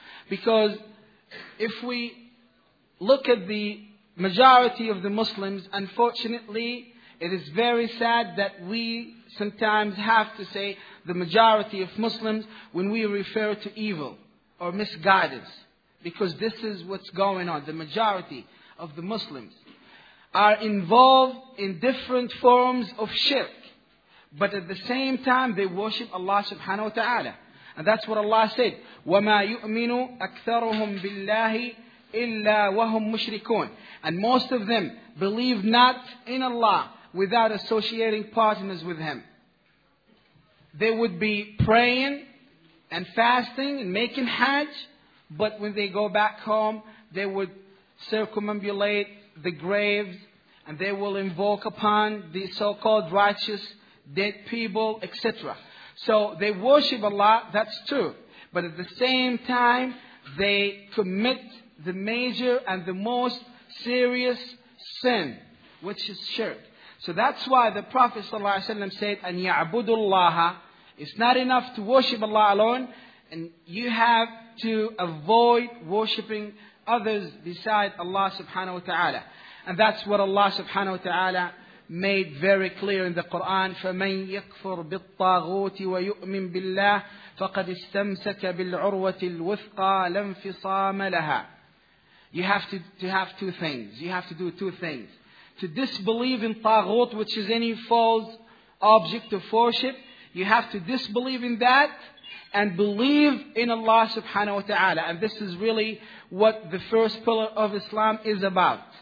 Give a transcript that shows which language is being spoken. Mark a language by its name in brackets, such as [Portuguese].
[English] Because if we look at the majority of the Muslims, unfortunately, it is very sad that we sometimes have to say the majority of Muslims when we refer to evil or misguidance. Because this is what's going on. The majority of the Muslims are involved in different forms of shirk. But at the same time, they worship Allah subhanahu wa ta'ala. And that's what Allah said, [Arabic] وَمَا يُؤْمِنُ أَكْثَرُهُمْ بِاللَّهِ إِلَّا وَهُمْ مُشْرِكُونَ. [English] And most of them believe not in Allah without associating partners with Him. They would be praying and fasting and making hajj, but when they go back home, they would circumambulate the graves and they will invoke upon the so-called righteous dead people, etc. So they worship Allah, that's true. But at the same time, they commit the major and the most serious sin, which is shirk. So that's why the Prophet ﷺ said, [Arabic] أَنْ يَعْبُدُ اللَّهَ. [English] It's not enough to worship Allah alone, and you have to avoid worshipping others beside Allah subhanahu wa ta'ala. And that's what Allah subhanahu wa ta'ala made very clear in the Quran, [Arabic] فَمَنْ يَكْفُرْ بِالطَّاغُوتِ وَيُؤْمِنْ بِاللَّهِ فَقَدْ اسْتَمْسَكَ بِالْعُرْوَةِ الْوُثْقَى لَنْ فِصَامَ لَهَا. [English] You have to have two things. You have to do two things. To disbelieve in طاغوت, which is any false object of worship, you have to disbelieve in that and believe in Allah subhanahu wa ta'ala. And this is really what the first pillar of Islam is about.